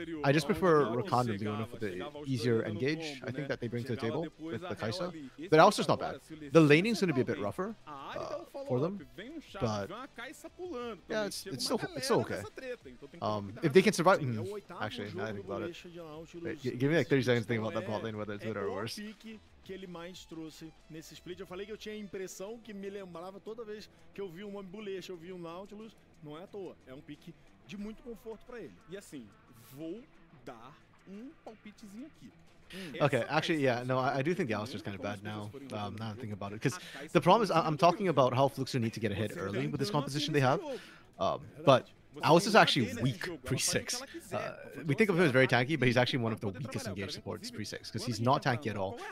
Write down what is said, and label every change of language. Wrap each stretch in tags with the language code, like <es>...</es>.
<en>I just prefer Rakan and Leona for the easier engage, I think, that they bring to the table with the Kai'Sa. But Alistar's not bad. The laning's gonna be a bit rougher for them, but yeah, it's still okay. If they can survive, actually, I think about it. Wait, give me like 30 seconds to think about that bot lane, whether it's good or worse.</en> <pt>Que ele mais trouxe nesse split. Eu falei que eu tinha a impressão que me lembrava toda vez que eu vi um ambulete, eu vi um Nautilus. Não é à toa. É um pique de muito conforto pra ele. E assim, vou dar um palpitezinho aqui.</pt> <en>Okay, actually, yeah, no, I do think the Alistar is kind of bad now. Now I'm thinking about it. Because the problem is, I'm talking about how Fluxu need to get a hit early with this composition they have. But Alistar is actually weak pre-6. We think of him as very tanky, but he's actually one of the weakest engaged supports pre-6, because he's not tanky at all.</en>